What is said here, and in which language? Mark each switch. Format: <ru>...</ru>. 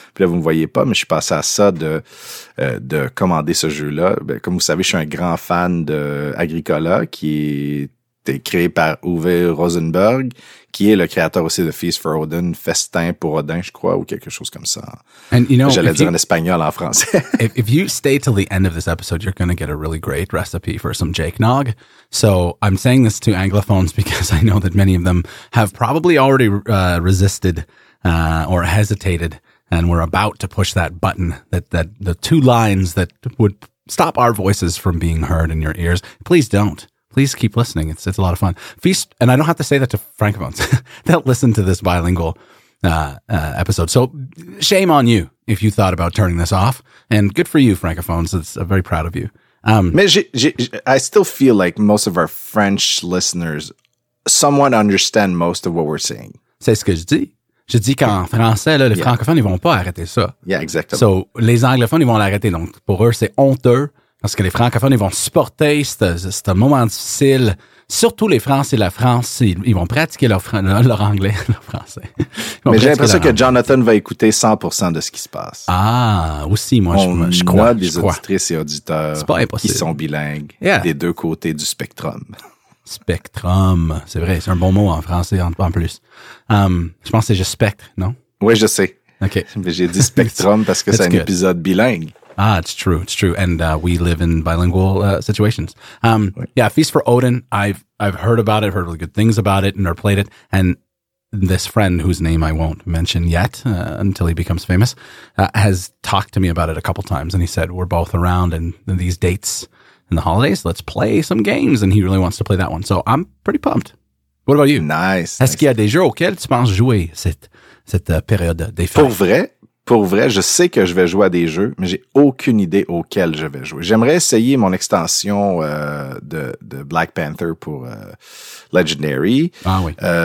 <fr>Puis là, vous me voyez pas, mais je suis passé à ça de commander ce jeu-là. Bien, comme vous savez, je suis un grand fan de Agricola, qui est créé par Uwe Rosenberg, qui est le créateur aussi de Feast for Odin, Festin pour Odin, je crois, ou quelque chose comme ça.</fr> <en>And you know,</en> <fr>j'allais dire en espagnol, en français.</fr> <en>if you stay till the end of this episode, you're going to get a really great recipe for some Jake Nog. So I'm saying this to Anglophones because I know that many of them have probably already resisted or hesitated and were about to push that button, that the two lines that would stop our voices from being heard in your ears. Please don't. Please keep listening. It's a lot of fun. Feast, and I don't have to say that to Francophones. They'll listen to this bilingual episode. So shame on you if you thought about turning this off. And good for you, Francophones. I'm very proud of you. Mais I still feel like most of our French listeners somewhat understand most of what we're saying.</en> <fr>C'est ce que je dis. Je dis qu'en français, là, les francophones, ils vont pas arrêter ça.</fr> <en>Yeah, exactly.</en> <fr>So les anglophones, ils vont l'arrêter. Donc pour eux, c'est honteux. Parce que les francophones, ils vont supporter ce moment difficile. Surtout les Français et la France, ils vont pratiquer leur anglais, leur français. Mais j'ai l'impression que Jonathan va écouter 100% de ce qui se passe. Ah, aussi, moi, je crois. On a des auditrices et auditeurs c'est pas impossible. Qui sont bilingues des deux côtés du spectrum. Spectrum, c'est vrai, c'est un bon mot en français en plus. Je pense que c'est juste spectre, non? Oui, je sais. OK. Mais j'ai dit spectrum parce que c'est un épisode bilingue.</fr> <en>Ah, it's true. It's true. And we live in bilingual situations. Feast for Odin. I've heard about it, heard really good things about it, and never played it. And this friend, whose name I won't mention yet until he becomes famous, has talked to me about it a couple times. And he said, we're both around and these dates and the holidays, let's play some games. And he really wants to play that one. So I'm pretty pumped. What about you? Nice.</en> <fr>Est-ce qu'il y a des jeux auxquels tu penses jouer cette période des fêtes? Pour vrai, je sais que je vais jouer à des jeux, mais j'ai aucune idée auxquels je vais jouer. J'aimerais essayer mon extension de Black Panther pour Legendary. Ah oui.</fr>